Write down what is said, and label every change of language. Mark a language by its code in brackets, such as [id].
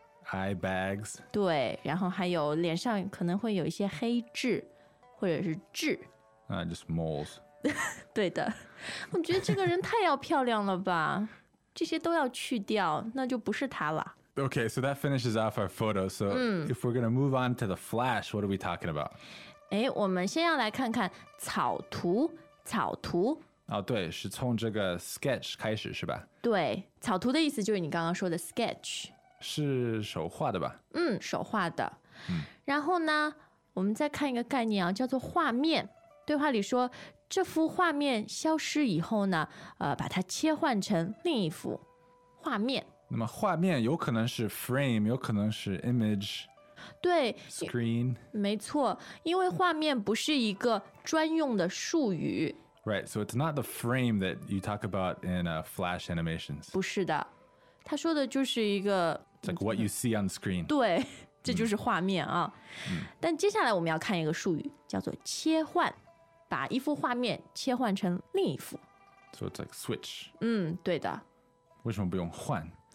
[en] ，eye bags。 [zh] 对，然后还有脸上可能会有一些黑痣，或者是痣。 [en] Just moles. [zh] 对的，我觉得这个人太要漂亮了吧，这些都要去掉，那就不是他了。 [en] Okay, so that finishes off our photo. So、嗯、 if we're going to move on to the flash, what are we talking about? [zh] 诶，我们先要来看看草图，草图。哦，对，是从这个 sketch 开始是吧？对，草图的意思就是你刚刚说的 sketch。是手画的吧？嗯，手画的、嗯。然后呢，我们再看一个概念啊，叫做画面。对话里说，这幅画面消失以后呢，把它切换成另一幅画面。那么画面有可能是 frame， 有可能是 image，对 [en] ，screen， [zh] 没错，因为画面不是一个专用的术语。 [en] Right, so it's not the frame that you talk about in flash animations. [zh] 不是的，他说的就是一个 [en] ，It's like what you see on screen. [zh] 对。这就是画面啊、嗯、但接下来我们要看一个术语叫做切换，把一幅画面切换成另一幅。 [en] So it's like switch. [zh] 嗯，对的。为什么不用换？